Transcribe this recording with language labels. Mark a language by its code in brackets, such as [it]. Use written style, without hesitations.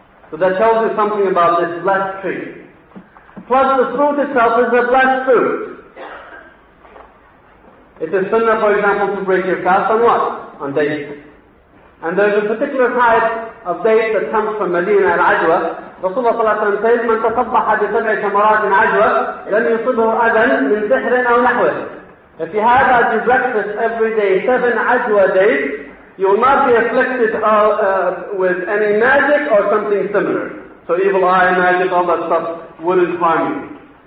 [en] So that tells you something about this blessed tree. Plus, the fruit itself is a blessed fruit. It's a sunnah, for example, to break your fast on what? On dates. And there's a particular type of date that comes from Medina al-Ajwa. Rasulullah ﷺ says, [ar] مَنْ تَصَبَّحَ بِسَبْعِ تَمَرَاتٍ عَجْوَةٍ لَنْ يُصِبْهُ أَذًى مِنْ سِحْرٍ أَوْ نَحْوِهِ. [en] If you have had your breakfast every day, 7 Ajwa days, you will not be afflicted with any magic or something similar. So evil eye, magic, all that stuff wouldn't harm you.